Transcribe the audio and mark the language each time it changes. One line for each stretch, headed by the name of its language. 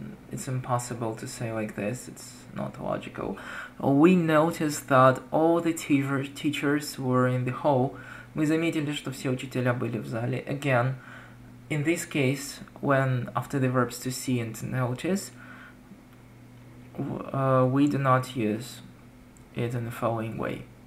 English: It's impossible to say like this, it's not logical. We noticed that all the teachers were in the hall.
Russian: Мы заметили, что все учителя были в зале.
English: Again, in this case, when after the verbs to see and to notice, we do not use it in the following way.